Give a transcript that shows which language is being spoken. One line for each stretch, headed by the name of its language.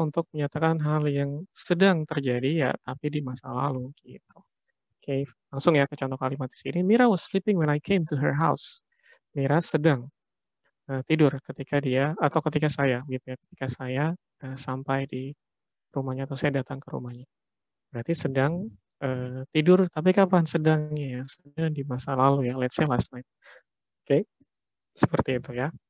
Indonesian: Untuk menyatakan hal yang sedang terjadi ya, tapi di masa lalu gitu. Oke, langsung ya ke contoh kalimat di sini.
English: Mira was sleeping when I came to her house.
Indonesian: Mira sedang tidur ketika dia atau ketika saya gitu ya, ketika saya sampai di rumahnya atau saya datang ke rumahnya. Berarti sedang tidur, tapi kapan sedangnya ya? Sedang di masa lalu ya,
English: let's say last night.
Indonesian: Oke, seperti itu ya.